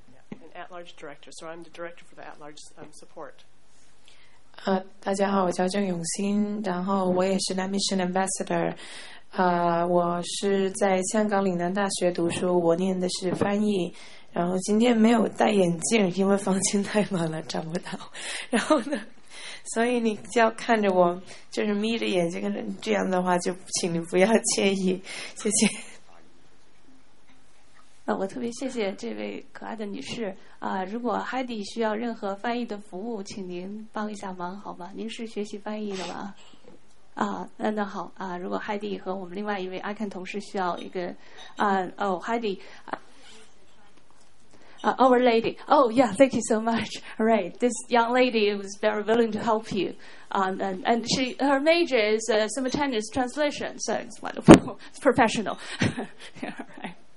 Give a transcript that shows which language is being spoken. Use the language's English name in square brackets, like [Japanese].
[English] An at-large director, so I'm the director for the at-large support. [Chinese] 大家好，我叫郑永新，然后我也是 Namission Ambassador， 我是在香港岭南大学读书，我念的是翻译，然后今天没有戴眼镜，因为房间太满了找不到，然后呢，所以你就要看着我，就是眯着眼睛，这样的话就请你不要介意，谢谢。我特别谢谢这位可爱的女士如果 Heidi 需要任何翻译的服务，请您帮一下忙好吗？您是学习翻译的吗？那好如果 Heidi 和我们另外一位 ICAN 同事需要一个 [English] Heidi our lady yeah thank you so much right this young lady was very willing to help you and she her major is simultaneous translation so it's wonderful it's professional right.